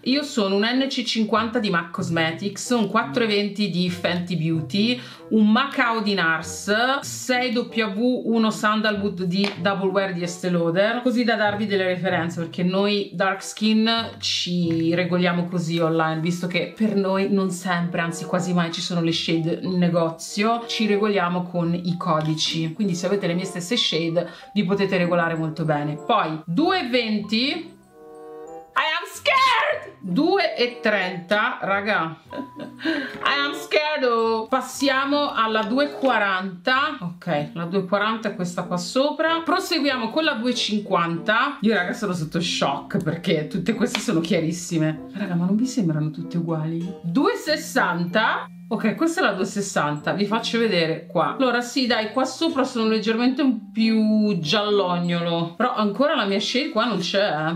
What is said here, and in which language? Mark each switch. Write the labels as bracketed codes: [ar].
[it] Io sono un NC50 di MAC Cosmetics, un 420 di Fenty Beauty, un Macau di NARS, 6W1 Sandalwood di Double Wear di Estée Lauder, così da darvi delle referenze, perché noi dark skin ci regoliamo così online, visto che per noi non sempre, anzi quasi mai, ci sono le shade in negozio. Ci regoliamo regoliamo con i codici, quindi se avete le mie stesse shade vi potete regolare molto bene. Poi [en] 2,20, I am scared, 2,30, raga, I am scared. [it] Passiamo alla 2,40, ok, la 2,40 è questa qua sopra, proseguiamo con la 2,50. Io raga sono sotto shock perché tutte queste sono chiarissime. Raga, ma non vi sembrano tutte uguali? 2,60. Ok, questa è la 2,60, vi faccio vedere qua. Allora sì, dai, qua sopra sono leggermente un più giallognolo, però ancora la mia shade qua non c'è.